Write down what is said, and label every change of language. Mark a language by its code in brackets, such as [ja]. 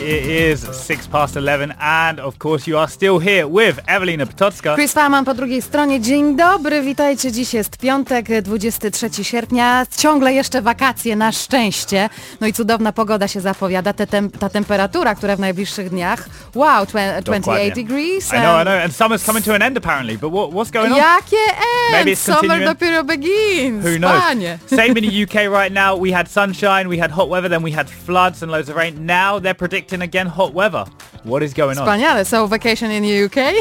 [en] It is 11:06, and of course you are still here with Ewelina Potocka. [pl] Chris Farman po drugiej stronie. Dzień dobry, witajcie. Dziś jest piątek, 23 sierpnia. Ciągle jeszcze wakacje, na szczęście. No i cudowna pogoda się zapowiada. Ta temperatura, która w najbliższych dniach... [en] Wow, 28 degrees. I know. And summer's coming to an end, apparently. But what's going on? [pl] Jakie [en] end? Maybe it's summer continuing. [pl] Dopiero [en] begins. Who knows? [pl] Panie. [en] Same in the UK right now. We had sunshine, we had hot weather, then we had flood. Floods and loads of rain. Now they're predicting again hot weather. What is going on? [pl] Spaniale. [en] So vacation in the UK?